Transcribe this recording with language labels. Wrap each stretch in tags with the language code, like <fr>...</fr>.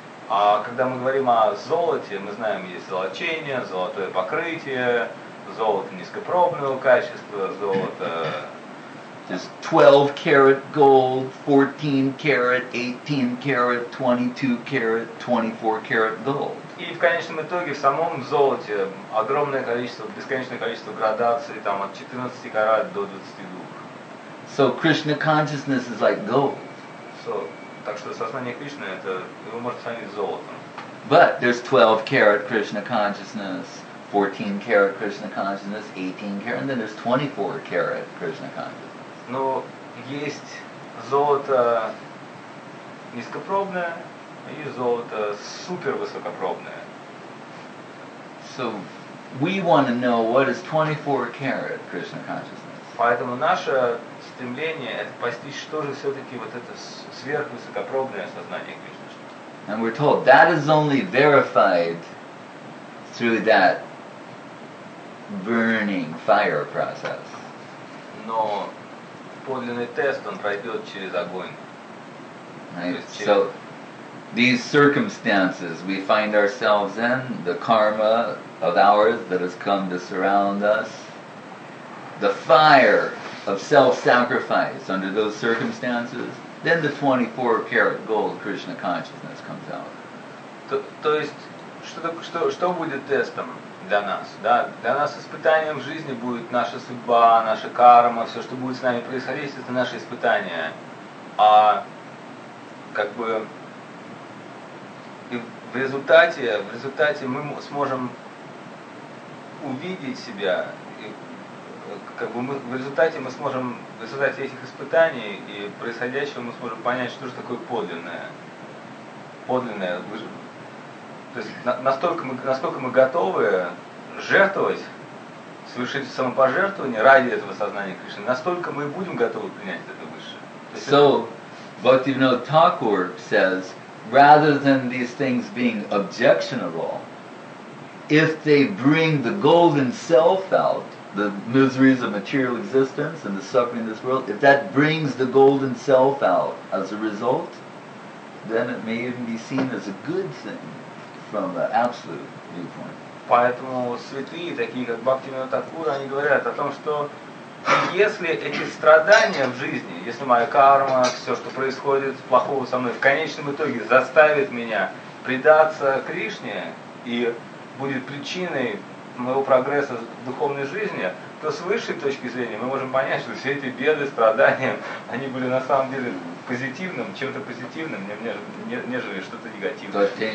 <ru>А когда мы говорим о золоте, мы знаем, есть золочение, золотое покрытие, золото низкопробного качества, золото...</ru> <en>There's 12 karat gold, 14 karat, 18 karat, 22 karat, 24 karat gold.</en> <ru>И в конечном итоге в самом золоте огромное количество, бесконечное количество градаций, там от 14 карат до 22.</ru> <en>So Krishna consciousness is like gold.</en> <ru>Так что сознание Кришны это его можно сравнить с золотом.</ru> <en>But there's 12 karat Krishna consciousness, 14 karat Krishna consciousness, 18 karat, and then there's 24 karat Krishna consciousness.</en> <ru>Но есть золото низкопробное и золото супервысокопробное.</ru> <en>So we want to know what is 24 karat Krishna consciousness.</en> <ru>Поэтому наше стремление это постичь, что же все-таки вот это сверхвысокопробное сознание Кришны.</ru> <en>And we're told that is only verified through that burning fire process.</en> <ru>Но подлинный тест он пройдет через огонь.</ru> <en>Right. So these circumstances we find ourselves in, the karma of ours that has come to surround us, the fire of self-sacrifice under those circumstances, then the 24 karat gold Krishna consciousness comes out.</en> <ru>То есть что будет тестом для нас, да? Для нас испытанием в жизни будет наша судьба, наша карма, все, что будет с нами происходить, это наше испытание. А как бы в результате мы сможем увидеть себя, и, как бы мы, в результате этих испытаний и происходящего мы сможем понять, что же такое подлинное. То есть насколько мы готовы жертвовать, совершить самопожертвование ради этого сознания Кришны, настолько мы будем готовы принять это Высшее.</ru> <en>So, Bhaktivinoda Thakur says, rather than these things being objectionable, if they bring the golden self out, the miseries of material existence and the suffering of this world, if that brings the golden self out as a result, then it may even be seen as a good thing from the absolute viewpoint.</en> <ru>Поэтому святые, такие как Бхактивинода Такура, они говорят о том, что если эти страдания в жизни, если моя карма, все, что происходит плохого со мной, в конечном итоге заставит меня предаться Кришне и будет причиной моего прогресса в духовной жизни, то с высшей точки зрения мы можем понять, что все эти беды, страдания, они были на самом деле позитивным, чем-то позитивным, нежели что-то негативное.</ru>